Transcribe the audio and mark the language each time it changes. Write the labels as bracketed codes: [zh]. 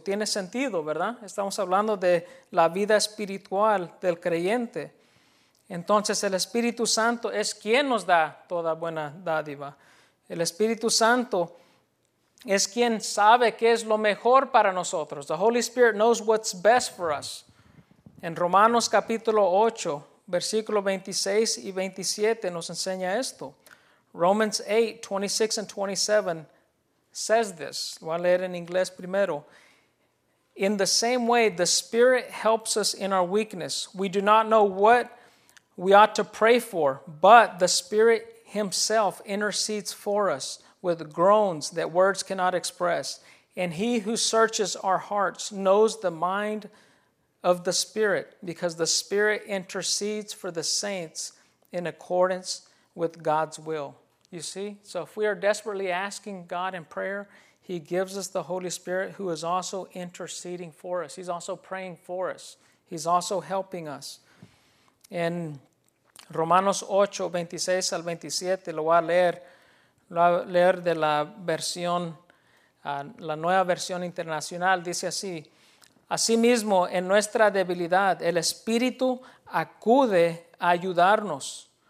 [es] Tiene sentido, ¿verdad? Estamos hablando de la vida espiritual del creyente. Entonces, el Espíritu Santo es quien nos da toda buena dádiva. El Espíritu Santo es quien sabe qué es lo mejor para nosotros. [en] The Holy Spirit knows what's best for us. [es] En Romanos capítulo 8, versículos 26 y 27 nos enseña esto. [en] Romans 8, 26 and 27 says this. [es] Voy a leer en inglés primero. [en] In the same way, the Spirit helps us in our weakness. We do not know what we ought to pray for, but the Spirit Himself intercedes for us with groans that words cannot express. And He who searches our hearts knows the mind of the Spirit, because the Spirit intercedes for the saints in accordance with God's will. You see? So if we are desperately asking God in prayer, He gives us the Holy Spirit, who is also interceding for us. He's also praying for us. He's also helping us. [es] In Romanos 8, 26 al 27, lo voy a leer de la versión, la nueva versión internacional, dice así: asimismo, en nuestra debilidad, el Espíritu acude a ayudarnos.